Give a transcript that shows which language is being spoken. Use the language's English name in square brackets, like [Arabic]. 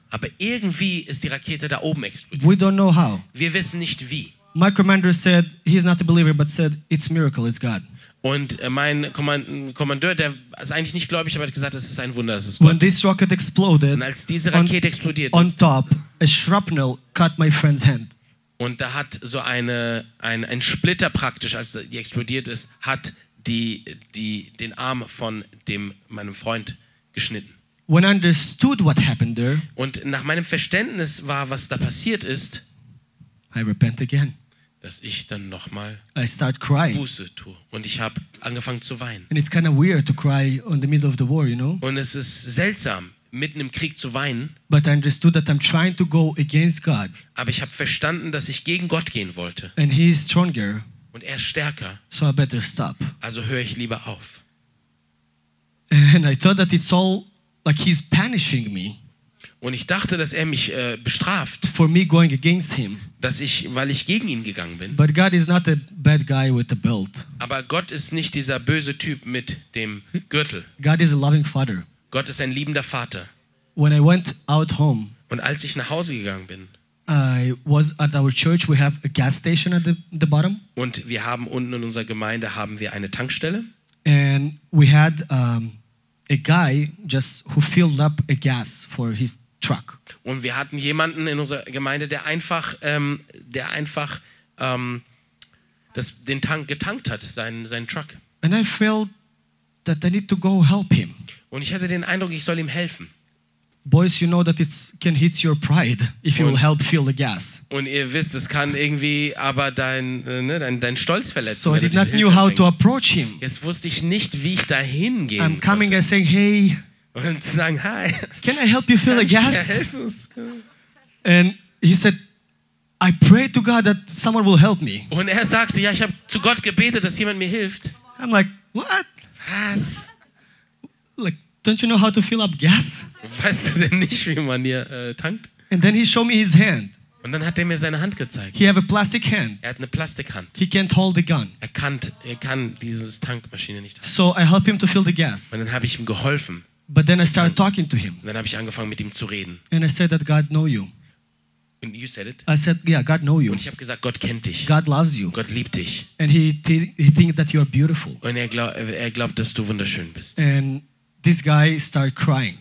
[German] Aber irgendwie ist die Rakete da oben explodiert. [English] We don't know how. [German] Wir wissen nicht wie. [English] My commander said he's not a believer, but said it's a miracle, it's God. [German] Und mein Kommandeur, der ist eigentlich nicht gläubig, aber hat gesagt, es ist ein Wunder, es ist Gott. [English] When this rocket exploded, [German] und als diese Rakete explodiert [English] on top, a shrapnel cut my friend's hand. [German] Und da hat so ein Splitter praktisch, als die explodiert ist, hat den Arm von meinem Freund geschnitten. [English] When I understood what happened there, [German] und nach meinem Verständnis war, was da passiert ist, [English] I repent again. [German] Dass ich dann nochmal [English] I start crying. [German] Buße tue. Und ich habe angefangen zu weinen. [English] And it's kind of weird to cry in the middle of the war, you know? [German] Und es ist seltsam, mitten im Krieg zu weinen. [English] But I understood that I'm trying to go against God. [German] Aber ich habe verstanden, dass ich gegen Gott gehen wollte. [English] And he is stronger. [German] Und er ist stärker. [English] So I better stop. [German] Also höre ich lieber auf. [English] And I thought that it's all like he's punishing me. [German] Und ich dachte, dass er mich bestraft. [English] For me going against him. [German] Weil ich gegen ihn gegangen bin. [English] But God is not a bad guy with a belt. [German] Aber Gott ist nicht dieser böse Typ mit dem Gürtel. [English] God is a loving father. [German] Gott ist ein liebender Vater. [English] When I went out home, [German] und als ich nach Hause gegangen bin, [English] I was at our church. We have a gas station at the bottom. [German] Und wir haben unten in unserer Gemeinde haben wir eine Tankstelle. [English] And we had a guy just who filled up a gas for his truck. [German] Und wir hatten jemanden in unserer Gemeinde, der den Tank getankt hat, seinen Truck. [English] And I felt that I need to go help him. [German] Und ich hatte den Eindruck, ich soll ihm helfen. [English] Boys, you know that it can hit your pride if you will help fill the gas. [German] Und ihr wisst, es kann irgendwie aber dein Stolz verletzen. [English] So I did not know how to approach him. [German] Jetzt wusste ich nicht, wie ich dahin gehen. [English] I'm coming and saying hey. [German] Und zu sagen hi. [English] Can I help you fill the gas? And he said, I pray to God that someone will help me. [German] Und er sagte, ja, ich habe zu Gott gebetet, dass jemand mir hilft. [English] I'm like, what? [German] Was? [English] Like, don't you know how to fill up gas? [German] Weißt du denn nicht, wie man hier tankt? [English] And then he showed me his hand. [German] Und dann hat er mir seine Hand gezeigt. [English] He have a plastic hand. [German] Er hat eine Plastikhand. [English] He can't hold the gun. [German] Er kann dieses Tankmaschine nicht halten. [English] So I help him to fill the gas. [German] Und dann habe ich ihm geholfen. [English] But then I started talking to him. [German] Und dann habe ich angefangen, mit ihm zu reden. [English] And I said that God know you. And you said it. I said, yeah, God know you. [German] Und ich habe gesagt, Gott kennt dich. [English] God loves you. [German] Gott liebt dich. [English] And he thinks that you are beautiful. [German] Und er glaubt, dass du wunderschön bist. [English] And this guy started crying.